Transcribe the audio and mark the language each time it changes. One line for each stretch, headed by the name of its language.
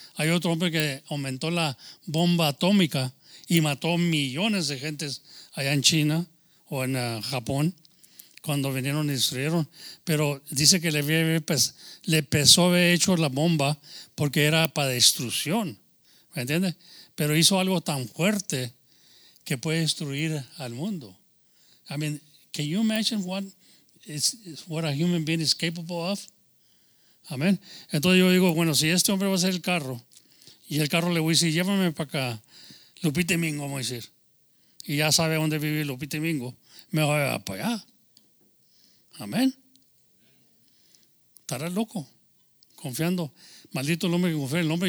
Spanish: Hay otro hombre que aumentó la bomba atómica y mató millones de gentes allá en China o en Japón cuando vinieron y destruyeron. Pero dice que le pesó haber hecho la bomba porque era para destrucción. ¿Me entiendes? Pero hizo algo tan fuerte que puede destruir al mundo.
English: I mean, can you imagine what a human being is capable of?
Spanish: Amén. Entonces yo digo, bueno, si este hombre va a ser el carro, y el carro le voy a decir, llévame para acá, Lupita y Mingo, vamos a decir. Y ya sabe dónde vive Lupita y Mingo, me va a llevar para allá. Amén. Estará loco, confiando. Maldito el hombre que confía en el hombre.